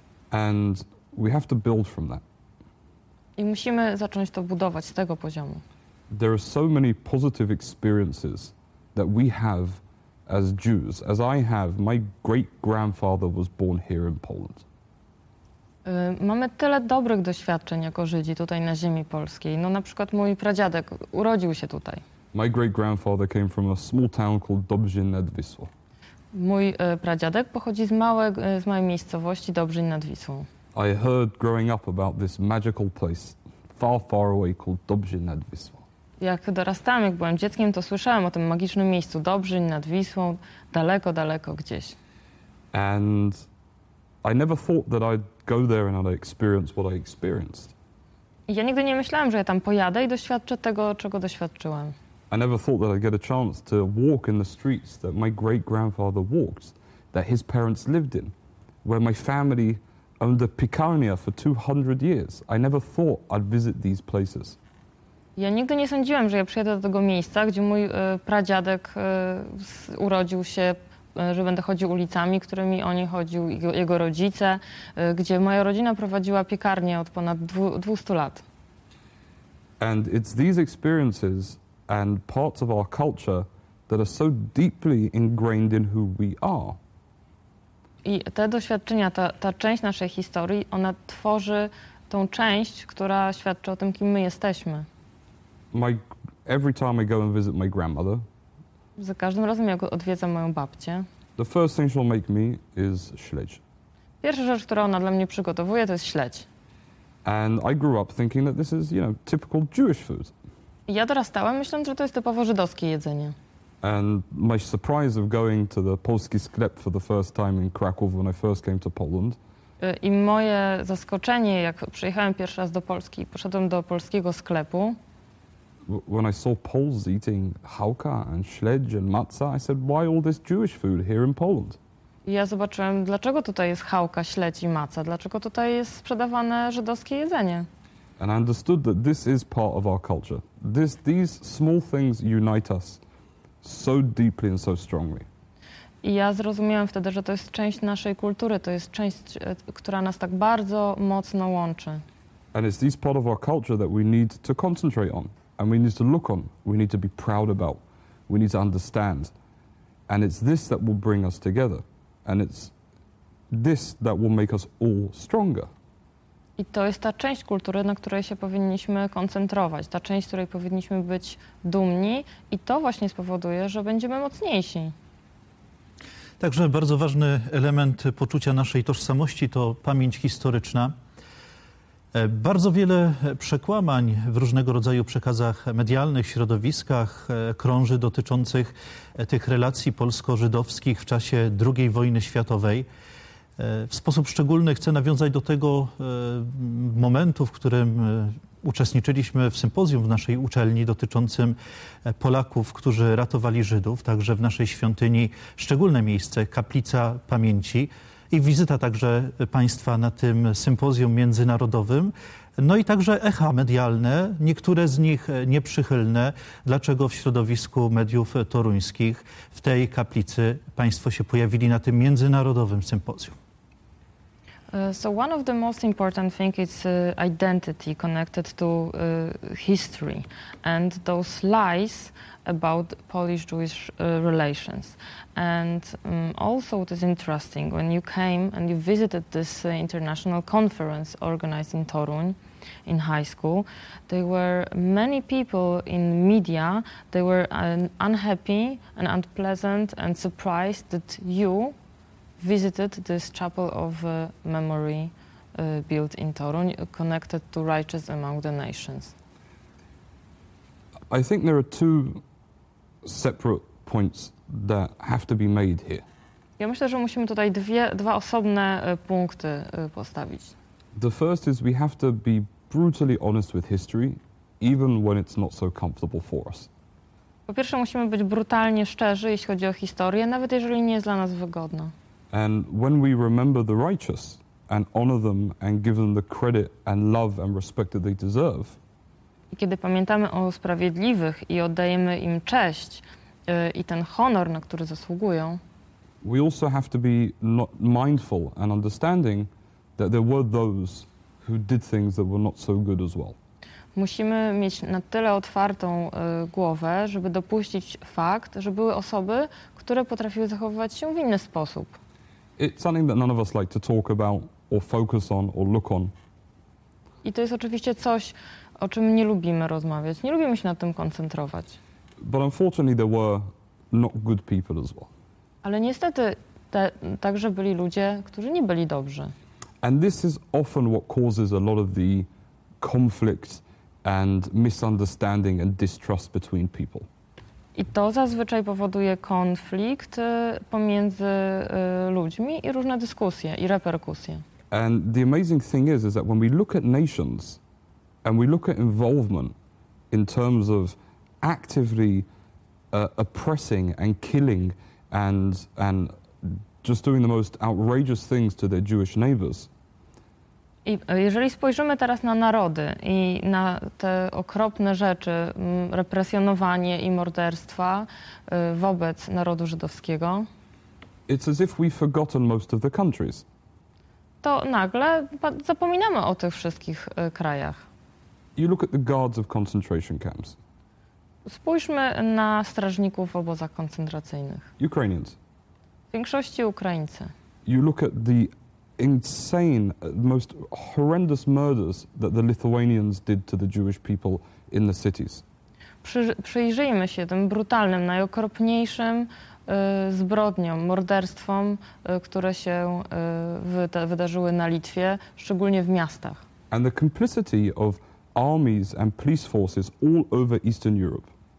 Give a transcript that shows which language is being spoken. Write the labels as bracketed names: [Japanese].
[English] And we have to build from that. [Polish] I musimy zacząć to budować z tego poziomu. [English] There are so many positive experiences that we have as Jews, as I have. My great-grandfather was born here in Poland. [Polish] Mamy tyle dobrych doświadczeń jako Żydzi tutaj na ziemi polskiej. No na przykład mój pradziadek urodził się tutaj. [English] My great-grandfather came from a small town called Dobrzyń nad Wisłą. [Polish] Mój pradziadek pochodzi z małej miejscowości Dobrzyń nad Wisłą. [English] I heard growing up about this magical place far, far away called Dobrzyń nad Wisłą. [Polish] Jak dorastałem, jak byłem dzieckiem, to słyszałem o tym magicznym miejscu Dobrzyń nad Wisłą, daleko, daleko gdzieś. [English] And I never thought that I'd go there and I'd experience what I experienced. [Polish] Ja nigdy nie myślałem, że ja tam pojadę i doświadczę tego, czego doświadczyłem. [English] I never thought that I'd get a chance to walk in the streets that my great-grandfather walked, that his parents lived in, where my family owned a piekarnia for 200 years. I never thought I'd visit these places. [Polish] Ja nigdy nie sądziłem, że ja przyjadę do tego miejsca, gdzie mój pradziadek urodził się, że będę chodził ulicami, którymi oni chodził, jego rodzice, gdzie moja rodzina prowadziła piekarnię od ponad 200 lat. [English] And it's these experiences and parts of our culture that are so deeply ingrained in who we are. [Polish] I te doświadczenia, ta część naszej historii, ona tworzy tą część, która świadczy o tym, kim my jesteśmy. [English] Every time I go and visit my grandmother, [Polish] za każdym razem, jak odwiedzam moją babcię, [English] the first thing she'll make me is śledź. [Polish] Pierwsza rzecz, którą ona dla mnie przygotowuje, to jest śledź. [English] And I grew up thinking that this is, you know, typical Jewish food. [Polish] Ja dorastałem, myśląc, że to jest typowo żydowskie jedzenie. [English] And my surprise of going to the [Polish] polski sklep [English] for the first time in Krakow when I first came to Poland. [Polish] I moje zaskoczenie, jak przyjechałem pierwszy raz do Polski, poszedłem do polskiego sklepu. [English] When I saw Poles eating chałka and śledź and matza, I said, why all this Jewish food here in Poland? [Polish] Ja zobaczyłem, dlaczego tutaj jest chałka, śledź i matza, dlaczego tutaj jest sprzedawane żydowskie jedzenie. [English] and I understood that this is part of our culture. These small things unite us so deeply and so strongly. [Polish] Ja zrozumiałem wtedy, że to jest część naszej kultury, to jest część, która nas tak bardzo mocno łączy. [English] And it's this part of our culture that we need to concentrate on, and we need to look on, we need to be proud about, we need to understand. And it's this that will bring us together, and it's this that will make us all stronger. [Polish] I to jest ta część kultury, na której się powinniśmy koncentrować, ta część, z której powinniśmy być dumni, i to właśnie spowoduje, że będziemy mocniejsi. Także bardzo ważny element poczucia naszej tożsamości to pamięć historyczna. Bardzo wiele przekłamań w różnego rodzaju przekazach medialnych, środowiskach krąży dotyczących tych relacji polsko-żydowskich w czasie II wojny światowej. W sposób szczególny chcę nawiązać do tego momentu, w którym uczestniczyliśmy w sympozjum w naszej uczelni dotyczącym Polaków, którzy ratowali Żydów, także w naszej świątyni szczególne miejsce, Kaplica Pamięci i wizyta także Państwa na tym sympozjum międzynarodowym. No i także echa medialne, niektóre z nich nieprzychylne. Dlaczego w środowisku mediów toruńskich w tej kaplicy Państwo się pojawili na tym międzynarodowym sympozjum? [English] So one of the most important things is identity connected to history and those lies about Polish-Jewish relations. And also it is interesting when you came and you visited this international conference organized in Toruń in high school, there were many people in media, they were unhappy and unpleasant and surprised that you visited this chapel of memory built in Toruń, connected to Righteous Among the Nations. I think there are two separate points that have to be made here. [Polish] Ja myślę, że musimy tutaj dwa osobne punkty postawić. [English] The first is we have to be brutally honest with history, even when it's not so comfortable for us. [Polish] Po pierwsze, musimy być brutalnie szczerzy, jeśli chodzi o historię, nawet jeżeli nie jest dla nas wygodna. [English] And when we remember the righteous and honor them and give them the credit and love and respect that they deserve. [Polish] I kiedy pamiętamy o sprawiedliwych i oddajemy im cześć i ten honor, na który zasługują. [English] We also have to be mindful and understanding that there were those who did things that were not so good as well. [Polish] Musimy mieć na tyle otwartą głowę, żeby dopuścić fakt, że były osoby, które potrafiły zachowywać się w inny sposób. [English] It's something that none of us like to talk about or focus on or look on. [Polish] I to jest oczywiście coś, o czym nie lubimy rozmawiać. Nie lubimy się nad tym koncentrować. [English] But unfortunately there were not good people as well. [Polish] Ale niestety także byli ludzie, którzy nie byli dobrzy. [English] And this is often what causes a lot of the conflict and misunderstanding and distrust between people. [Polish] I to zazwyczaj powoduje konflikt pomiędzy ludźmi i różne dyskusje i reperkusje. [English] And the amazing thing is that when we look at nations and we look at involvement in terms of actively oppressing and killing and just doing the most outrageous things to their Jewish neighbors. [Polish] I jeżeli spojrzymy teraz na narody i na te okropne rzeczy, represjonowanie i morderstwa wobec narodu żydowskiego, [English] it's as if we've forgotten most of the countries. [Polish] To nagle zapominamy o tych wszystkich krajach. [English] You look at the guards of concentration camps. [Polish] Spójrzmy na strażników w obozach koncentracyjnych. [English] Ukrainians. [Polish] W większości Ukraińcy. [English] You look at the insane, most horrendous murders that the Lithuanians did to the Jewish people in the cities. [Polish] Przyjrzyjmy się tym brutalnym, najokropniejszym zbrodniom, morderstwom, które się wydarzyły na Litwie, szczególnie w miastach. [English] And the complicity of armies and police forces all over Eastern Europe.